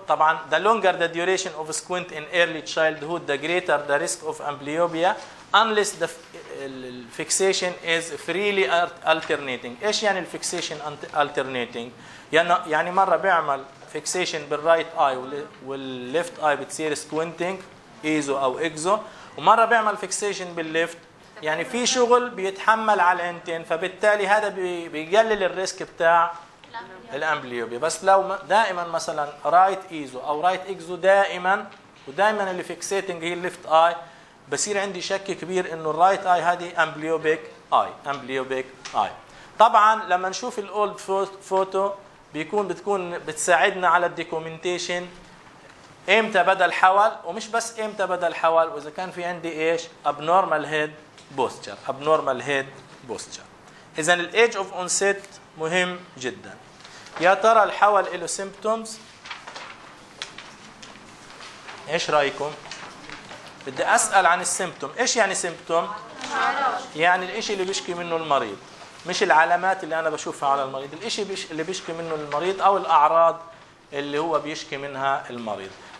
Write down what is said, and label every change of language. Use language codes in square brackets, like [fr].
[ar] طبعا [en] the longer the duration of squint in early childhood the greater the risk of amblyopia unless the fixation is freely alternating. [ar] إيش يعني [en] the fixation alternating؟ [ar] يعني مرة بيعمل fixation بالright eye والleft eye بتصير squinting ايزو او اكزو، ومرة بيعمل fixation بالleft، يعني في شغل بيتحمل على العينتين، فبالتالي هذا بيقلل الريسك بتاع الامبليوبيا. بس لو دائما مثلا رايت ايزو او رايت اكزو دائما، ودائما اللي فيكسيتنج هي الليفت اي، بصير عندي شك كبير انه الرايت اي هذه امبليوبيك اي. امبليوبيك اي طبعا لما نشوف الاولد فوتو بتكون بتساعدنا على الديكومنتيشن امتى بدا الحول، ومش بس امتى بدا الحول، واذا كان في عندي ايش ابنورمال هيد بوستشر. [en] abnormal head posture. [ar] إذن [en] the age of onset [ar] مهم جدا. يا ترى الحول له symptoms؟ إيش رأيكم؟ بدي أسأل عن symptom. إيش يعني symptom؟ يعني الإشي اللي بيشكي منه المريض، مش العلامات اللي أنا بشوفها على المريض. الإشي اللي بيشكي منه المريض أو الأعراض اللي هو بيشكي منها المريض.